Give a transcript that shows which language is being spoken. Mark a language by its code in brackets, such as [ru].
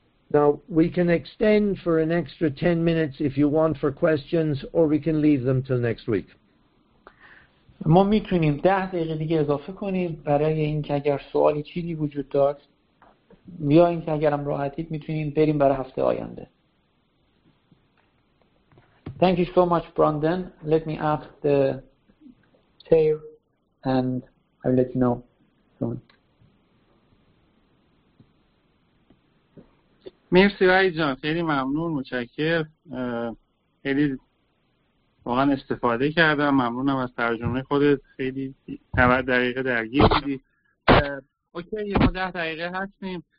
[en] Now we can extend for an extra 10 minutes if you want for questions or we can leave them till next week. [fa] ما میتونیم 10 دقیقه دیگه اضافه کنیم برای اینکه اگر سوالی چیزی وجود داشت یا اینکه اگرم راحتید میتونیم بریم برای هفته آینده. [en] Thank you so much, Brandon. Let me ask the chair and I'll let you know soon. [fa] مرسی رای جان، خیلی ممنون، متشکر. خیلی واقعا استفاده کردم، ممنونم از ترجمه خودت. خیلی 90 دقیقه درگیر بودی. اوکی، ما 10 دقیقه هستیم.